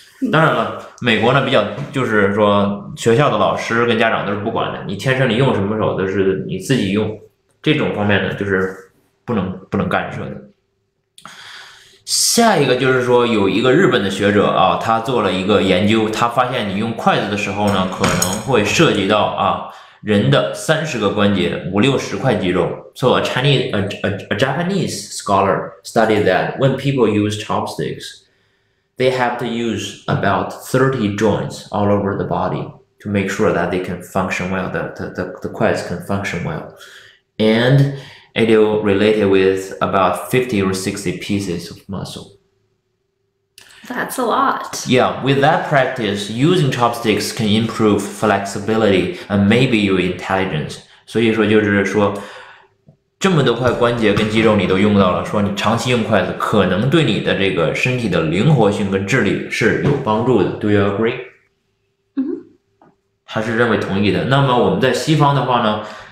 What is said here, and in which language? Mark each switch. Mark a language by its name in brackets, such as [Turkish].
[Chinese] 当然了，美国呢比较就是说学校的老师跟家长都是不管的，你天生你用什么手都是你自己用，这种方面呢就是不能干涉的。下一个就是说有一个日本的学者啊，他做了一个研究，他发现你用筷子的时候呢，可能会涉及到啊人的30个关节，五六十块肌肉。 [English] So a Japanese scholar studied that when people use chopsticks, they have to use about 30 joints all over the body to make sure that they can function well, that the 筷子 can function well. AndIt will relate it with about 50 or 60 pieces of muscle. That's a lot. Yeah, with that practice, using chopsticks can improve flexibility and maybe your intelligence. [Chinese] 所以说就是说这么多块关节跟肌肉你都用到了，说你长期用筷子可能对你的这个身体的灵活性跟智力是有帮助的。 [English] Do you agree? [Chinese] 他是认为同意的。那么我们在西方的话呢